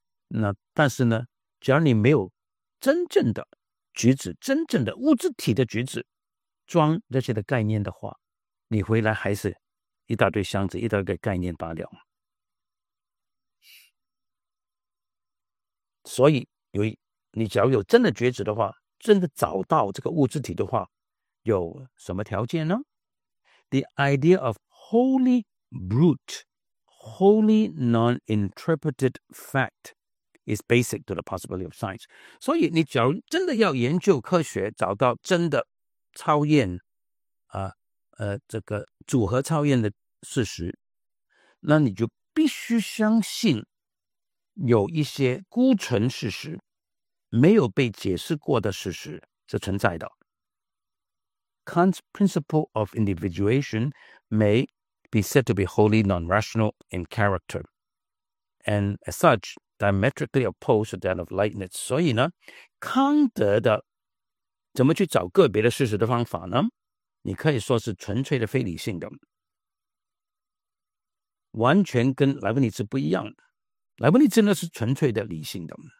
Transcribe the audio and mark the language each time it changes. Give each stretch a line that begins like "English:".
Chinese: 那但是呢，只要你没有真正的橘子，真正的物质体的橘子装这些的概念的话，你回来还是一大堆箱子，一大堆概念罢了。所以有你只要有真的橘子的话，真的找到这个物质体的话，有什么条件呢？
English: The idea of wholly brute, wholly non-interpreted fact is basic to the possibility of science.
Chinese: 所以你假如真的要研究科学，找到真的超验、这个组合超验的事实，那你就必须相信有一些孤存事实，没有被解释过的事实是存在的。
English: Kant's principle of individuation may be said to be wholly non-rational in character and as such, diametrically opposed to that of Leibniz.
Chinese: 所以呢, 康德的怎么去找个别的事实的方法呢? 你可以说是纯粹的非理性的, 完全跟莱布尼茨不一样的。莱布尼茨呢是纯粹的理性的。